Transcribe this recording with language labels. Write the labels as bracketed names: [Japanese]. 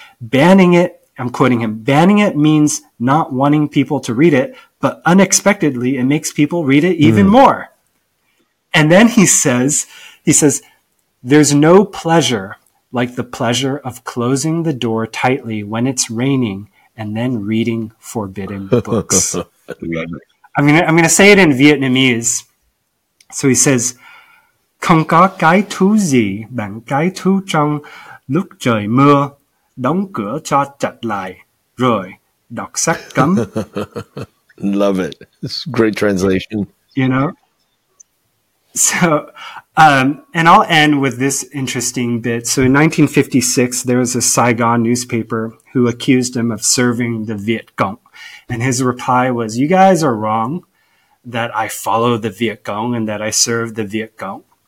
[English] Banning it, I'm quoting him, banning it means not wanting people to read it, but unexpectedly, it makes people read it even more. And then he says, there's no pleasure like the pleasure of closing the door tightly when it's raining and then reading forbidden books. I'm gonna say it in Vietnamese. So he says, [Vietnamese] không có cái thú gì bằng cái thú trong lúc trời mưa, đóng cửa cho chặt lại, rồi đọc sách cấm. [English] Love it. It's a great translation. You know? So, and I'll end with this interesting bit. So in 1956, there was a Saigon newspaper who accused him of serving the Viet Cong. And his reply was, you guys are wrong that I follow the Viet Cong and that I serve the Viet Cong.